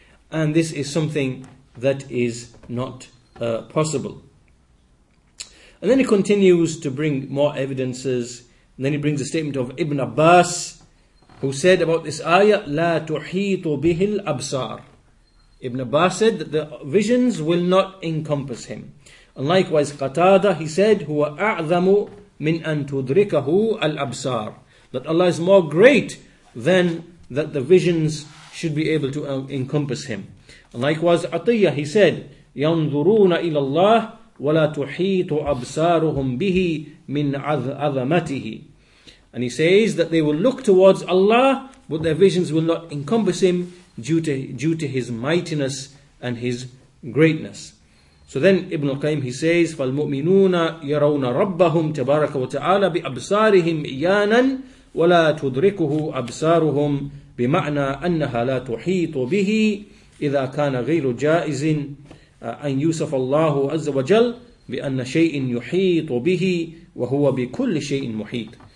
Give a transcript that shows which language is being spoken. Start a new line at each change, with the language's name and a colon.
English: And this is something that is not possible. And then he continues to bring more evidences. And then he brings a statement of Ibn Abbas, who said about this ayah,
Arabic: لا تحيط به الأبصار.
English: Ibn Abbas said that the visions will not encompass him. And likewise, Qatada, he said,
Arabic: هو أعظم من أن تدركه الأبصار.
English: That Allah is more great than that the visions should be able to encompass him. And likewise, Atiyah, he said,
Arabic: ينظرون إلى الله ولا تحيط أبصارهم به من عظمته.
English: And he says that they will look towards Allah, but their visions will not encompass him due to his mightiness and his greatness. So then Ibn al-Qayyim, he says,
Arabic: فَالْمُؤْمِنُونَ يَرَوْنَ رَبَّهُمْ تَبَارَكَ وَتَعَالَى بِأَبْصَارِهِمْ إِيَانًا وَلَا تُدْرِكُهُ أَبْصَارُهُمْ بِمَعْنَى أَنَّهَا لَا تُحِيطُ بِهِ إِذَا كَانَ غَيْرُ جَائِزٍ أَنْ يُوصَفَ اللَّهُ عَزَّ وَجَلْ بِأَنَّ شَيْءٍ يُحِيطُ بِهِ وَهُوَ بِكُلِّ شَيْءٍ مُحِيطٌ.